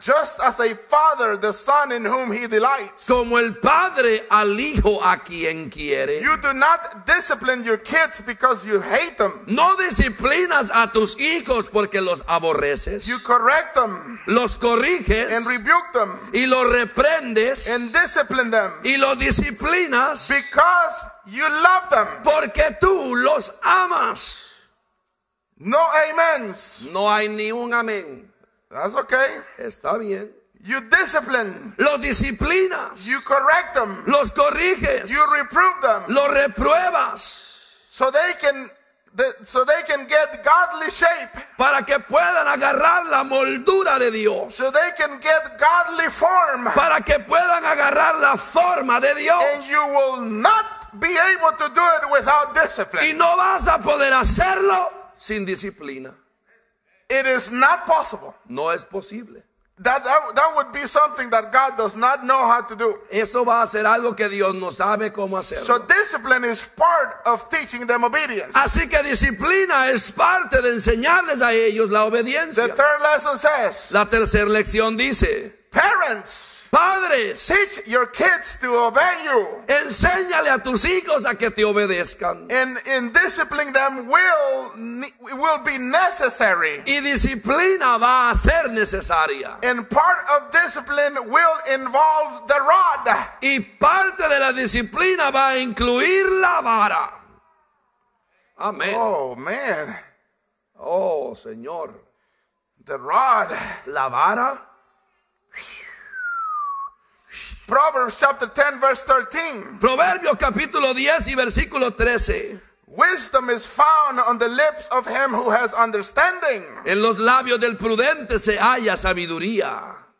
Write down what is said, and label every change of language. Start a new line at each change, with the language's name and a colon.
English: Just as a father the son in whom he delights.
Spanish: Como el padre al hijo a quien quiere.
English: You do not discipline your kids because you hate them.
Spanish: No disciplinas a tus hijos porque los aborreces.
English: You correct them.
Spanish: Los corriges.
English: And rebuke them.
Spanish: Y lo reprendes.
English: And discipline them.
Spanish: Y lo disciplinas.
English: Because you love them.
Spanish: Porque tú los amas.
English: No amens.
Spanish: No hay ni un amén.
English: That's okay.
Spanish: Está bien.
English: You discipline.
Spanish: Los disciplinas.
English: You correct them.
Spanish: Los corriges.
English: You reprove them.
Spanish: Los repruebas.
English: So they can. So they can get godly shape.
Spanish: Para que puedan agarrar la moldura de Dios.
English: So they can get godly form.
Spanish: Para que puedan agarrar la forma de Dios.
English: And you will not be able to do it without discipline.
Spanish: Y no vas a poder hacerlo sin disciplina.
English: It is not possible.
Spanish: No es posible.
English: That would be something that God does not know how to do.
Spanish: Eso va a ser algo que Dios no sabe cómo hacerlo.
English: So discipline is part of teaching them obedience.
Spanish: Así que disciplina es parte de enseñarles a ellos la obediencia.
English: The third lesson says.
Spanish: La tercera lección dice.
English: Parents.
Spanish: Padres.
English: Teach your kids to obey you.
Spanish: Enséñale a tus hijos a que te obedezcan.
English: And in disciplining them will be necessary.
Spanish: Y disciplina va a ser necesaria.
English: And part of discipline will involve the rod.
Spanish: Y parte de la disciplina va a incluir la vara. Amén.
English: Oh, man.
Spanish: Oh, Señor.
English: The rod.
Spanish: La vara.
English: Proverbs chapter 10 verse 13.
Spanish: Proverbios capítulo 10 y versículo 13.
English: Wisdom is found on the lips of him who has understanding.
Spanish: En los labios del prudente se halla sabiduría.